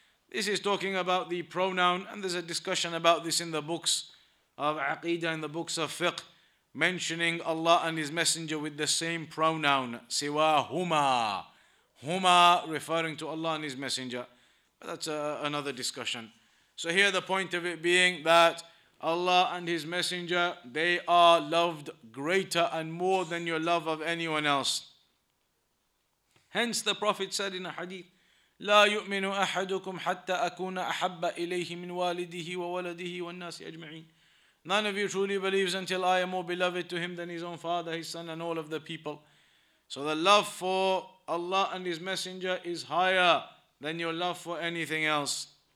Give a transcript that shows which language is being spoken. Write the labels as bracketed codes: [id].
[en] This is talking about the pronoun, and there's a discussion about this in the books of Aqidah, in the books of Fiqh, mentioning Allah and His Messenger with the same pronoun, siwa huma. Huma referring to Allah and His Messenger. But that's another discussion. So here the point of it being that Allah and His Messenger, they are loved greater and more than your love of anyone else. Hence the Prophet said in a hadith, [ar] لا يؤمن أحدكم حتى أكون أحب إليه من والده وولده والناس أجمعين. [en] None of you truly believes until I am more beloved to him than his own father, his son, and all of the people. So the love for Allah and his messenger is higher than your love for anything else.